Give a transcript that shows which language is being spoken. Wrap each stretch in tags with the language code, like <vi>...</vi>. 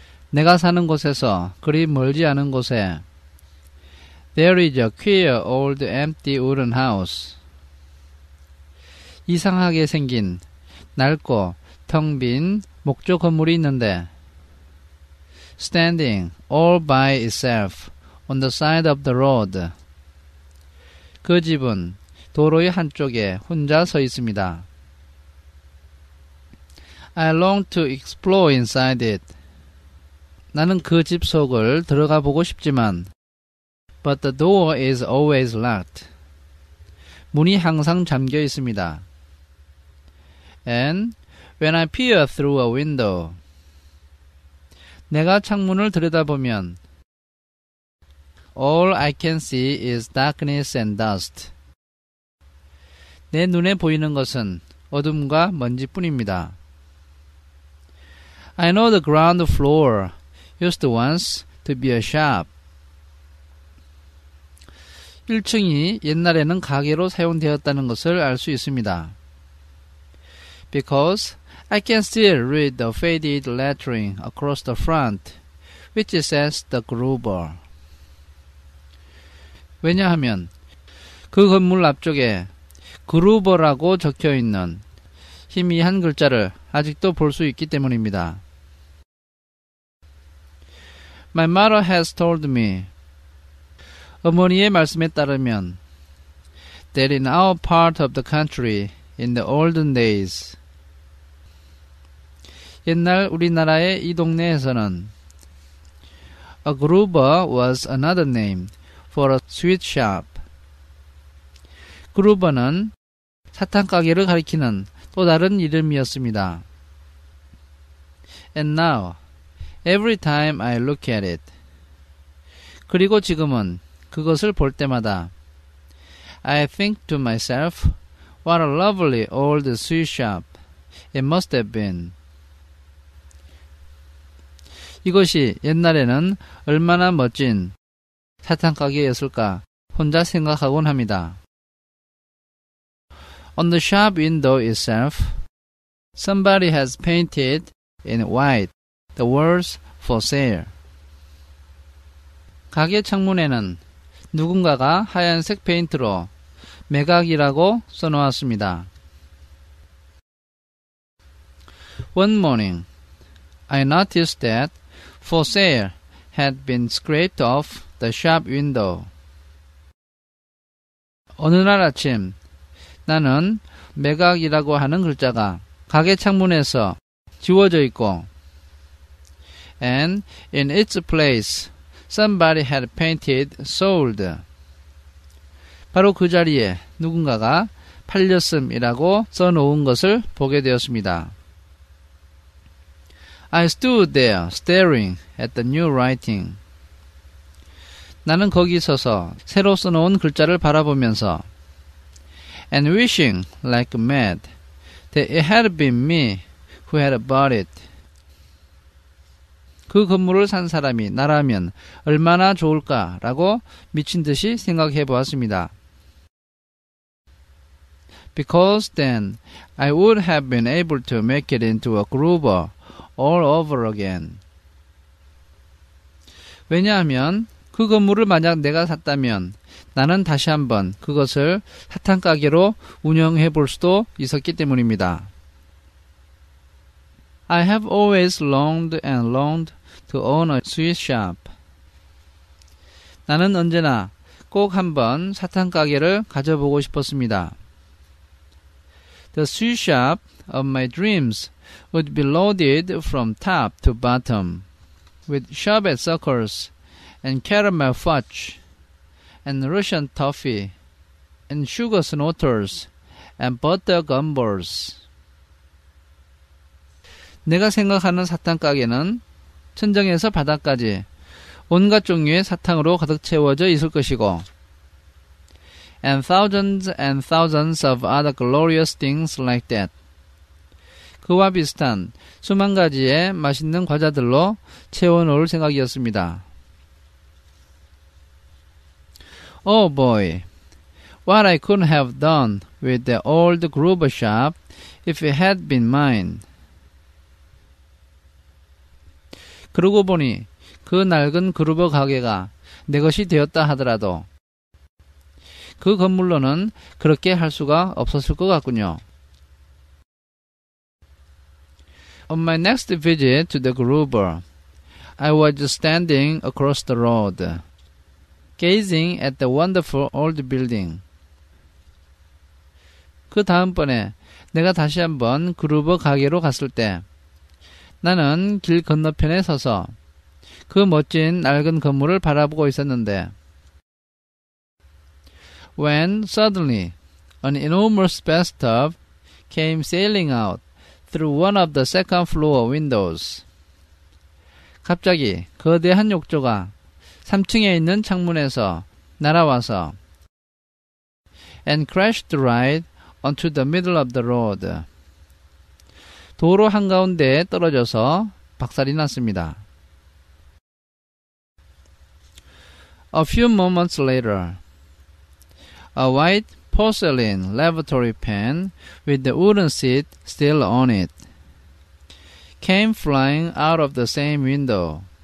<ko>내가 사는 곳에서 그리 멀지 않은 곳에</ko> <en>There is a queer old empty wooden house.</en> <ko>이상하게 생긴 낡고 텅 빈 목조 건물이 있는데</ko> <en>Standing all by itself on the side of the road.</en> <ko>그 집은 도로의 한쪽에 혼자 서 있습니다.</ko> <en>I long to explore inside it.</en> <ko>나는 그 집 속을 들어가 보고 싶지만</ko> <en>But the door is always locked.</en> <ko>문이 항상 잠겨 있습니다.</ko> <en>And when I peer through a window,</en> <ko>내가 창문을 들여다보면</ko> <en>All I can see is darkness and dust.</en> <ko>내 눈에 보이는 것은 어둠과 먼지뿐입니다.</ko> <en>I know the ground floor used once to be a shop.</en> <ko>1층이 옛날에는 가게로 사용되었다는 것을 알 수 있습니다.</ko> <en>Because I can still read the faded lettering across the front, which says the Gruber.</en> <ko>왜냐하면 그 건물 앞쪽에 Gruber라고 적혀있는 희미한 글자를 아직도 볼 수 있기 때문입니다.</ko> <en>My mother has told me</en> <ko>어머니의 말씀에 따르면</ko> <en>that in our part of the country in the olden days</en> <ko>옛날 우리나라의 이 동네에서는</ko> <en>a Gruber was another name for a sweet shop.</en> <ko>Gruber는 사탕 가게를 가리키는 또 다른 이름이었습니다.</ko> <en>And now, every time I look at it,</en> <ko>그리고 지금은 그것을 볼 때마다</ko> <en>I think to myself, what a lovely old sweet shop it must have been.</en> <ko>이것이 옛날에는 얼마나 멋진 사탕가게였을까 혼자 생각하곤 합니다.</ko> <en>On the shop window itself, somebody has painted in white the words for sale.</en> <ko>가게 창문에는 누군가가 하얀색 페인트로 매각이라고 써놓았습니다.</ko> <en>One morning, I noticed that for sale had been scraped off the shop window.</en> <ko>어느 날 아침 나는 매각이라고 하는 글자가 가게 창문에서 지워져 있고</ko> <en>and in its place somebody had painted sold.</en> <ko>바로 그 자리에 누군가가 팔렸음이라고 써놓은 것을 보게 되었습니다.</ko> <en>I stood there staring at the new writing.</en> <ko>나는 거기 서서 새로 써놓은 글자를 바라보면서</ko> <en>and wishing like mad that it had been me who had bought it.</en> <ko>그 건물을 산 사람이 나라면 얼마나 좋을까라고 미친 듯이 생각해 보았습니다.</ko> <en>Because then I would have been able to make it into a Gruber all over again.</en> <ko>왜냐하면 그 건물을 만약 내가 샀다면 나는 다시 한번 그것을 사탕가게로 운영해 볼 수도 있었기 때문입니다.</ko> <en>I have always longed and longed to own a sweet shop.</en> <ko>나는 언제나 꼭 한번 사탕가게를 가져보고 싶었습니다.</ko> <en>The sweet shop of my dreams would be loaded from top to bottom with sherbet circles and caramel fudge and Russian toffee and sugar snorters and butter gumballs.</en> <ko>내가 생각하는 사탕가게는 천장에서 바닥까지 온갖 종류의 사탕으로 가득 채워져 있을 것이고</ko> <en>and thousands of other glorious things like that.</en> <ko>그와 비슷한 수만 가지의 맛있는 과자들로 채워놓을 생각이었습니다.</ko> <en>Oh boy, what I couldn't have done with the old Groover shop if it had been mine.</en> <ko>그러고 보니 그 낡은 그루버 가게가 내 것이 되었다 하더라도 그 건물로는 그렇게 할 수가 없었을 것 같군요.</ko> <en>On my next visit to the Groover, I was standing across the road, gazing at the wonderful old building.</en> <ko>그 다음번에 내가 다시 한번 그루버 가게로 갔을 때 나는 길 건너편에 서서 그 멋진 낡은 건물을 바라보고 있었는데</ko> <en>When suddenly an enormous bathtub came sailing out through one of the second floor windows.</en> <ko>갑자기 거대한 욕조가 3층에 있는 창문에서 날아와서</ko> <en>And crashed right onto the middle of the road.</en> <ko>도로 한가운데에 떨어져서 박살이 났습니다.</ko> <en>A few moments later, a white porcelain lavatory pan with the wooden seat still on it came flying out of the same window.</en>